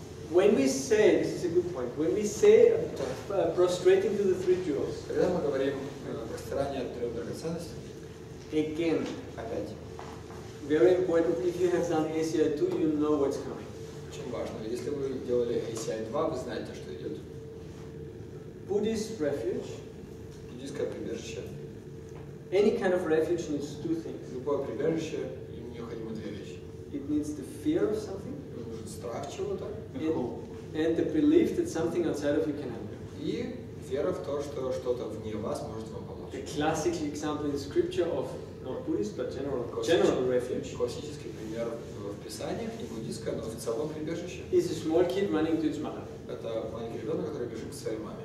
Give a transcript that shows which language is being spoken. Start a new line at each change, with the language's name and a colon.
English: When we say, this is a good point. When we say prostrating to the three jewels.
Russian: Когда мы говорим прострирание от трех драгоценностей.
English: Again,
Russian: опять.
English: Very important. If you have done ACI 2, you know what's coming.
Russian: Очень важно. Если вы делали ACI 2, вы знаете, что идет.
English: Buddhist refuge.
Russian: Буддийское прибежище.
English: Any kind of refuge needs two things.
Russian: Любое прибежище, ему необходимо две вещи.
English: It needs the fear of something.
Russian: Страх чего-то.
English: And the belief that something outside of you can help.
Russian: И вера в то, что что-то вне вас может вам помочь.
English: The classic example in scripture of not Buddhist but general refuge.
Russian: Классический пример в Писаниях, не буддийское, но в целом прибежище.
English: Is a small kid running to his mother.
Russian: Это маленький ребенок, который бежит к своей маме.